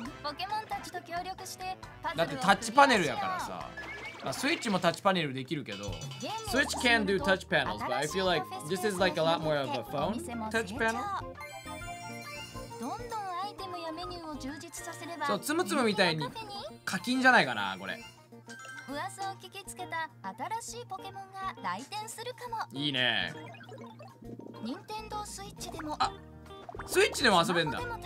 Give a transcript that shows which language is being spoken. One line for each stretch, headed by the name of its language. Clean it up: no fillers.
Japanese: ポケモンたちと協力してだってタッチパネルやからさ。まあ、スイッチもタッチパネルできるけど。
English: スイッチ can do touch panels, but I feel like this is like a lot more of a phone touch panel。
Japanese: どんどんアイテムやメニューを充実させれば。そう、つむつむみたいに課金じゃないかなこれ。噂を聞きつけた新しいポケモンが来店するかも。いいね。任天堂スイッチでも。あ、スイッチでも遊べんだ。